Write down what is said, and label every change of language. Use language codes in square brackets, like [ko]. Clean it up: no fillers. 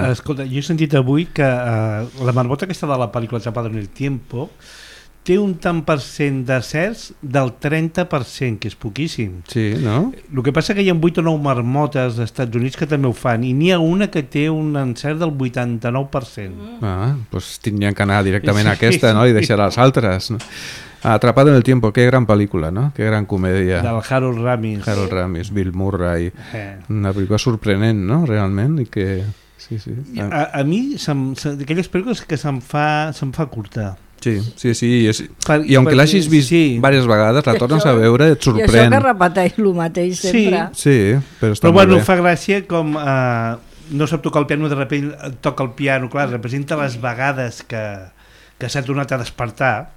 [ca] Pues, escolta, jo he sentit avui que la marmota aquesta de la pel·lícula Chapada en el Tiempo té un tant per cent de certs del 30%, que és poquíssim. Sí, no? El que passa que hi ha 8 o 9 marmotes als Estats Units que també ho fan, i n'hi ha una que té un encert del 89%. Ah, doncs tindrien que anar directament a aquesta, no?, i deixar les altres, no? [es] Atrapado en el Tiempo, qué gran película, ¿no? Qué gran comedia. [ca] Del Harold Ramis. Harold Ramis, Bill Murray. [es] Una película sorprenent, ¿no? [ca] Realment, i que... Sí, sí. A mi, d'aquelles pel·lícules que se'm fa curta. Sí, sí, sí. És... Per, I aunque l'hagis vist sí. diverses vegades, la tornes a veure i et sorprèn. I això que repeteix el mateix sempre. Sí, sí, però està però, molt bueno, bé. Fa gràcia com... no sap tocar el piano, de sobte toca el piano, clar, representa les vegades que s'ha tornat a despertar.